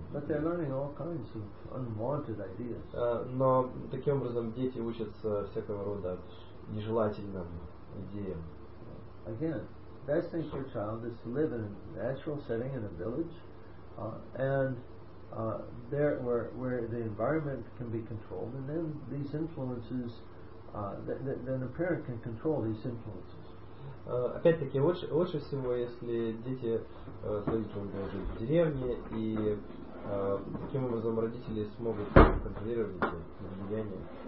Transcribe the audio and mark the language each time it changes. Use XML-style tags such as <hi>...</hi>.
<en>But they're learning all kinds of unwanted ideas.</en> <ru>Но таким образом дети учатся всякого рода нежелательным идеям.</ru> <en>Again, best thing for a child is to live in a natural setting in a village, and there where the environment can be controlled, and then these influences, then the parent can control these influences.</en> <ru>Опять-таки, лучше всего, если дети своих будут жить в деревне, и таким образом родители смогут контролировать эти влияния.</ru>